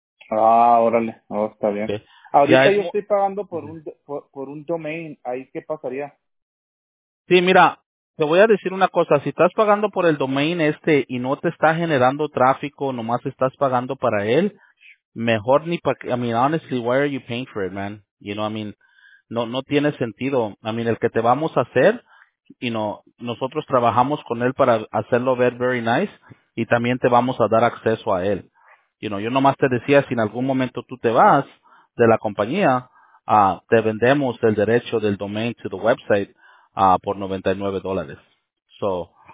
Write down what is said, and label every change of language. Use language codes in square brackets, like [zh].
[es] Ah, órale. Oh, está bien. Okay. Ahorita yo estoy pagando por un domain. ¿Ahí qué pasaría? Sí, mira, te voy a decir una cosa. Si estás pagando por el domain este y no te está generando tráfico, nomás estás pagando para él, mejor ni para... [en] I mean, honestly, why are you paying for it, man? You know, I mean, [es] no tiene sentido. I mean, el que te vamos a hacer, nosotros trabajamos con él para hacerlo ver [en] very nice, [es] y también te vamos a dar acceso a él. Yo nomás te decía, si en algún momento tú te vas de la compañía, te vendemos el derecho del domain [en] to the website [es] por $99. So,